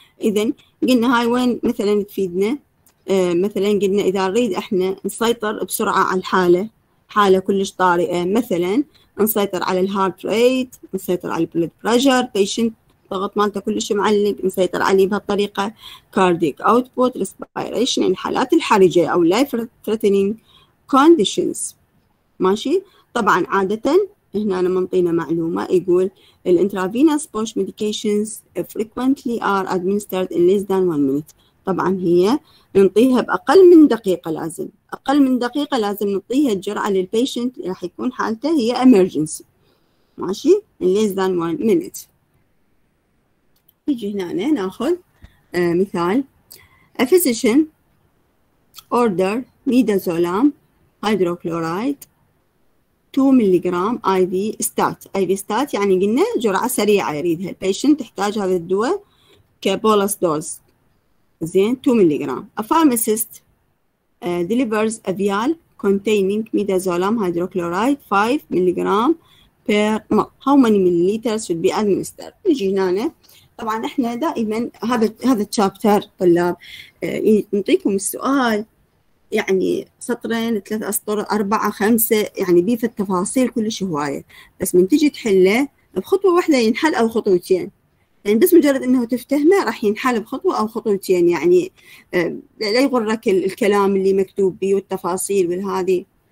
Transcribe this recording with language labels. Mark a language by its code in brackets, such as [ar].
[ar] إذن قلنا هاي وين مثلا تفيدنا؟ مثلا قلنا إذا نريد احنا نسيطر بسرعة على الحالة، حالة كلش طارئة، مثلا نسيطر على الهارت ريت، نسيطر على البلد بريشر، بيشنت الضغط مالته كلش معلق، نسيطر عليه بهالطريقة، كارديك اوتبوت، ريسبيريشن، الحالات الحرجة او لايف ثريتنينج كونديشنز. ماشي؟ طبعا عادة هنا أنا منطينا معلومة يقول الـ [en] intravenous push medications frequently are administered in less than 1 minute. [ar] طبعا هي ننطيها بأقل من دقيقة، لازم أقل من دقيقة لازم نعطيها الجرعة للبيشنت اللي راح يكون حالته هي emergency. ماشي؟ [en] in less than 1 minute. [ar] نيجي هنا ناخذ مثال. [en] A physician order midazolam hydrochloride 2 milligram I V stat. [ar] اي في ستات يعني قلنا جرعه سريعه يريدها البيشنت، تحتاج هذا الدواء كبولس دوز زين 2 مللي جرام. [en] A pharmacist delivers a vial containing midazolam hydrochloride 5 milligram per ml. How many milliliters should be administered؟ [ar] نجي هنا طبعا احنا دائما هذا التشابتر طلاب نعطيكم السؤال يعني سطرين ثلاث اسطر اربعه خمسه يعني بيه في التفاصيل كلش هوايه، بس من تجي تحله بخطوه واحده ينحل او خطوتين، يعني بس مجرد انه تفتهمه راح ينحل بخطوه او خطوتين، يعني لا يغرك الكلام اللي مكتوب بيه والتفاصيل والهذي.